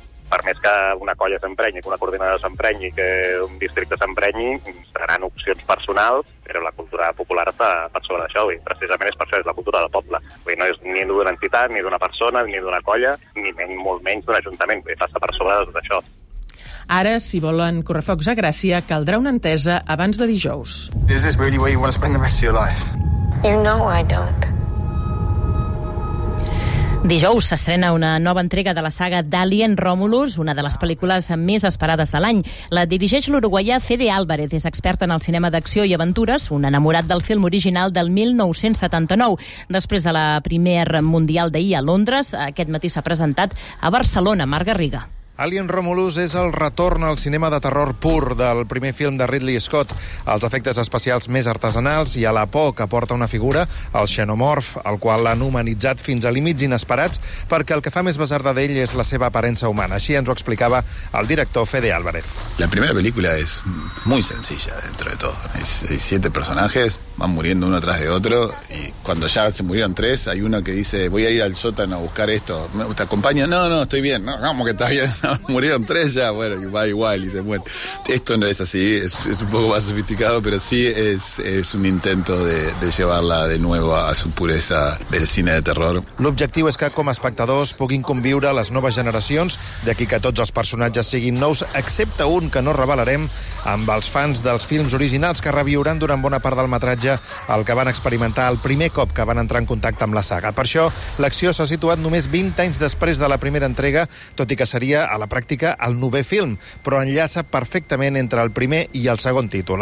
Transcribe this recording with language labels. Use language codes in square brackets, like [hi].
[ca] Per més que una colla s'emprenyi, que una coordinada s'emprenyi, que un districte s'emprenyi, seran opcions personals, però la cultura popular està per sobre d'això, i precisament és per això, és la cultura del poble. Vull dir, no és ni d'una entitat, ni d'una persona, ni d'una colla, ni molt menys d'un ajuntament, vull dir, passa per sobre de tot això. Ara, si volen correfocs a Gràcia, caldrà una entesa abans de dijous. [en] Is this really where you want to spend the rest of your life? You know I don't. [ca] Dijous s'estrena una nova entrega de la saga d'Alien Romulus, una de les pel·lícules més esperades de l'any. La dirigeix l'uruguaià Fede Álvarez, és expert en el cinema d'acció i aventures, un enamorat del film original del 1979. Després de la primera mundial d'ahir a Londres, aquest matí s'ha presentat a Barcelona, Marc Garriga. Alien Romulus és el retorn al cinema de terror pur del primer film de Ridley Scott. Els efectes especials més artesanals i a la por que porta una figura, el xenomorf, el qual l'han humanitzat fins a límits inesperats perquè el que fa més besarda d'ell és la seva aparença humana. Així ens ho explicava el director Fede Álvarez. La primera pel·lícula és molt senzilla, [es] dentro de [ca] tot. [es] Hay siete personajes, van muriendo uno tras de otro, y cuando ya se murieron tres, hay uno que dice voy a ir al sótano a buscar esto. ¿Te acompaño? No, estoy bien. No, ¿cómo que estás bien? Murieron tres ya, bueno, va igual y se muere. Esto no es así, es un poco más sofisticado, pero sí es un intento de llevarla de nuevo a su pureza del cine de terror. [ca] L'objectiu és que com a espectadors puguin conviure les noves generacions, d'aquí que tots els personatges siguin nous, excepte un que no revelarem, amb els fans dels films originals que reviuran durant bona part del metratge el que van experimentar el primer cop que van entrar en contacte amb la saga. Per això, l'acció s'ha situat només 20 anys després de la primera entrega, tot i que seria a la pràctica el novè film, però enllaça perfectament entre el primer i el segon títol.